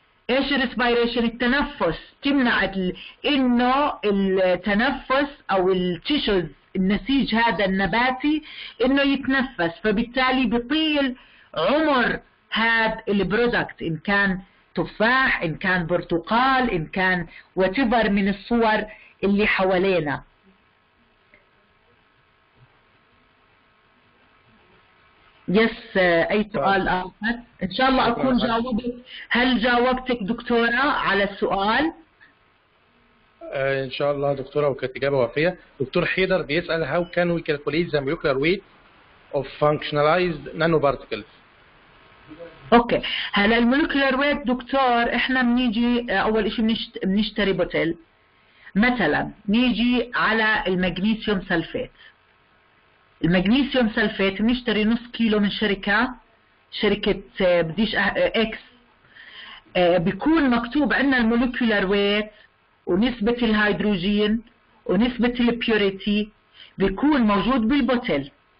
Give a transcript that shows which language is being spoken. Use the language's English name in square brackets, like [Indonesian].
[Arabic] ايش الريسبيريشن؟ التنفس، تمنع انه التنفس او التيشوز النسيج هذا النباتي انه يتنفس، فبالتالي بيطيل عمر هذا البرودكت، ان كان تفاح ان كان برتقال ان كان وتبر من الصور اللي حوالينا. يس، اي سؤال اخر؟ ان شاء الله اكون جاوبت. هل جاوبتك دكتوره على السؤال؟ ان شاء الله دكتوره، وكانت اجابه وافيه. دكتور حيدر بيسال [English] how can we calculate the molecular weight of functionalized nanoparticles. [Arabic] اوكي، هلا المولكيولر ويت دكتور، احنا بنيجي اول شيء بنشتري بوتل، مثلا نيجي على المغنيسيوم سلفيت. المغنيسيوم سلفيت بنشتري نص كيلو من شركة بديش اكس، بيكون مكتوب عندنا المولكيولر ويت ونسبة الهيدروجين ونسبة البيوريتي، بيكون موجود بالبوتل.